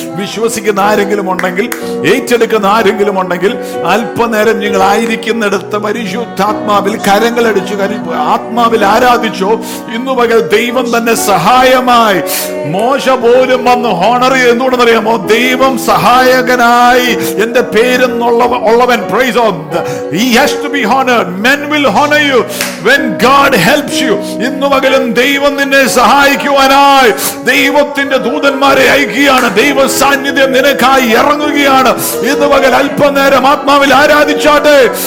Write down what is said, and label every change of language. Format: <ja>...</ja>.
<ml>വിശ്വസിക്കുന്ന ആരെങ്കിലും ഉണ്ടെങ്കിൽ, ഏറ്റെടുക്കുന്ന ആരെങ്കിലും ഉണ്ടെങ്കിൽ, അല്പനേരം നിങ്ങൾ ആയിരിക്കുന്നിടത്ത് പരിശുദ്ധാത്മാവിൽ കരങ്ങളടിച്ചു ആത്മാവിൽ ആരാധിച്ചോ, ഇന്നു പകൽ ദൈവം തന്നെ സഹായമായി. മോശ പോലും വന്ന് ഹോണർ എന്തുകൊണ്ടെന്നറിയാമോ, ദൈവം സഹായകനായി എന്റെ പേരെന്നുള്ളവൻ.</ml> <en>Praise God. He has to be honored. Men will honor you when God helps you.</en> <ml>ഇന്നു പകലും ദൈവം നിന്നെ സഹായിക്കുവാനായി ദൈവത്തിന്റെ ദൂതന്മാരെ അയക്കുകയാണ്. ദൈവ സാന്നിധ്യം നിനക്കായി ഇറങ്ങുകയാണ്. ഇന്നു പകൽ അല്പനേരം ആത്മാവിൽ ആരാധിച്ചാട്ടെ.</ml>